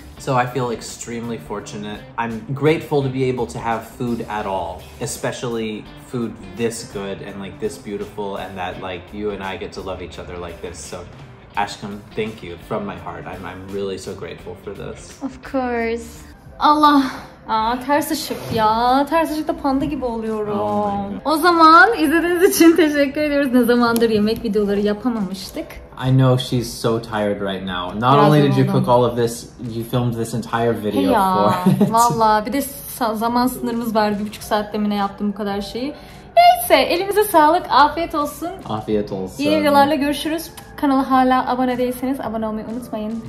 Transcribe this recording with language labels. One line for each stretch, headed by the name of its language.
English: So I feel extremely fortunate. I'm grateful to be able to have food at all, especially food this good and like this beautiful, and that like you and I get to love each other like this. So Aşkım, thank you from my heart. I'm really so grateful for this. Of course.
Turkish: Allah. Aa, ters ışık ya. Ters ışıkta panda gibi oluyorum. Oh, o zaman izlediğiniz için teşekkür ediyoruz. Ne zamandır yemek videoları yapamamıştık.
English: I know she's so tired right now. Not
Turkish: biraz
English: only did you cook all of this, you filmed this entire video
Turkish: ya,
English: for it.
Turkish: Valla bir de zaman sınırımız vardı. 1,5 saatte mi ne yaptım bu kadar şeyi. Neyse, elimize sağlık. Afiyet olsun. Afiyet olsun. İyi videolarla görüşürüz. Kanala hala abone değilseniz abone olmayı unutmayın.